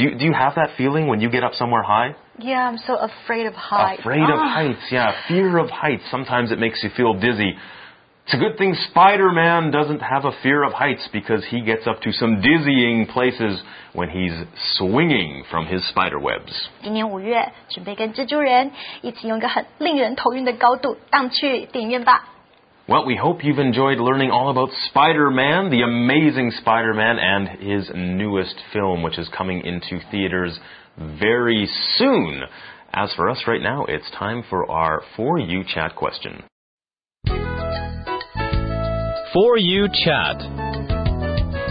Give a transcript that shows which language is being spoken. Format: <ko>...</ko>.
<en>Do you have that feeling when you get up somewhere high? Yeah, I'm so afraid of heights. Fear of heights. Sometimes it makes you feel dizzy. It's a good thing Spider-Man doesn't have a fear of heights, because he gets up to some dizzying places when he's swinging from his spider webs.</en> <zh>今年五月，准备跟蜘蛛人一起用一个很令人头晕的高度荡去电影院吧。</zh> <en>Well, we hope you've enjoyed learning all about Spider-Man, the Amazing Spider-Man, and his newest film, which is coming into theaters very soon. As for us right now, it's time for our For You Chat question. For You Chat.</en>